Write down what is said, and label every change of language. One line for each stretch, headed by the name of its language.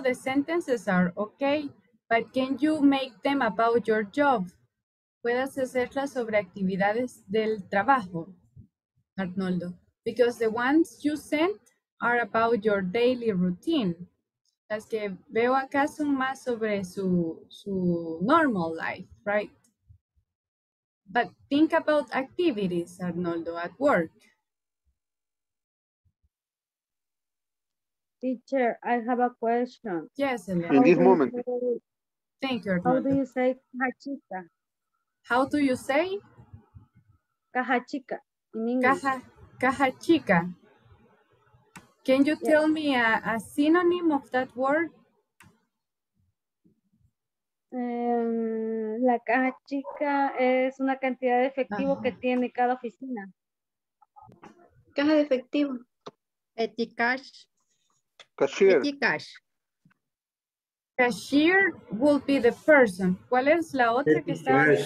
English: The sentences are okay, but can you make them about your job?
Spanish: Puedes hacerlas sobre actividades del trabajo, Arnoldo.
English: Because the ones you sent are about your daily routine.
Spanish: Las que veo acá son más sobre su normal life, right?
English: But think about activities, Arnoldo, at work. Teacher, I have a question. Yes, Elena. In this moment. Thank you, Arnoldo. How do you say cajachica? How do you say? Cajachica, in English. Cajachica. Can you tell me a synonym of that word?
Spanish: La caja chica es una cantidad de efectivo que tiene cada oficina. Caja de efectivo.
English: Eticash. Cashier. Eticash. Cashier will be the person.
Spanish: ¿Cuál es la otra que está